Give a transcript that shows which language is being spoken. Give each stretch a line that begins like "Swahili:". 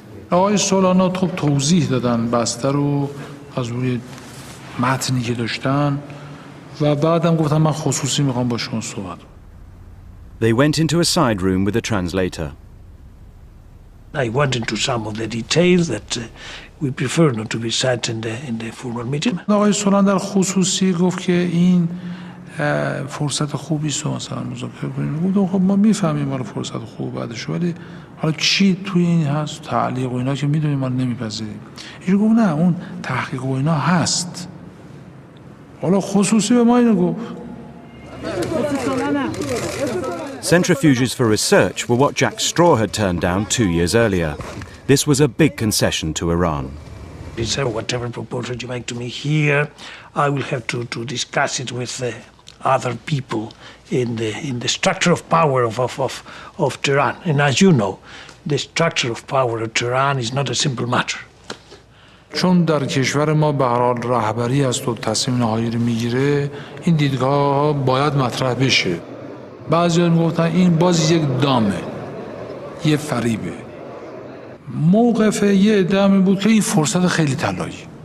Persian: آقای سولانا خوب توضیح دادن بسته رو از روی متنی که داشتن و بعدم گفتم من خصوصی میخوام با شما صحبت.
English: They went into a side room with a translator. I went into some of the details that we prefer not to be sent in the formal meeting.
Persian: آقای سولاندر خصوصی گفت که این فرصت خوبی است مثلا مذاکره کنیم. گفتم خب ما میفهمیم حالا فرصت خوب بعدش ولی حالا چی توی این هست تعلیق و اینا که میدونیم ما نمیپذیریم. ایشون گفت نه اون تحقیق و اینا هست. حالا خصوصی به ما اینو گفت.
English: Centrifuges for research were what Jack Straw had turned down 2 years earlier. This was a big concession to Iran. He said, whatever proposal you make to me here, I will have to discuss it with the other people in the structure of power of Tehran. And as you know, the structure of power of Tehran is not a simple matter.
Persian: چون در کشور ما به هر حال رهبری است و تصمیم نهایی رو میگیره این دیدگاه ها باید مطرح بشه بعضی ها میگفتن این باز یک دامه یه فریبه موقف یه دامه بود که این فرصت خیلی طلایی